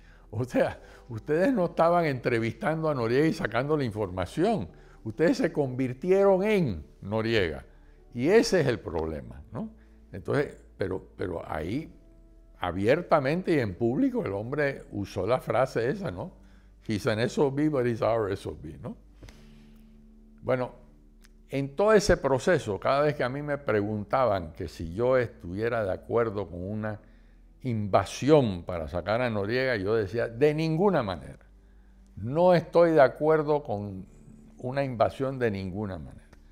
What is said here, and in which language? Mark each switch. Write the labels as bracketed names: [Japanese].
[Spanish] O sea, ustedes no estaban entrevistando a Noriega y sacando la información. Ustedes se convirtieron en Noriega. Y ese es el problema, ¿no? Entonces, pero ahí, abiertamente y en público, el hombre usó la frase esa, ¿no? [English] He's an SOB, but he's our SOB, ¿no? [Spanish] Bueno, en todo ese proceso, cada vez que a mí me preguntaban que si yo estuviera de acuerdo con una invasión para sacar a Noriega, yo decía, de ninguna manera. No estoy de acuerdo con una invasión de ninguna manera.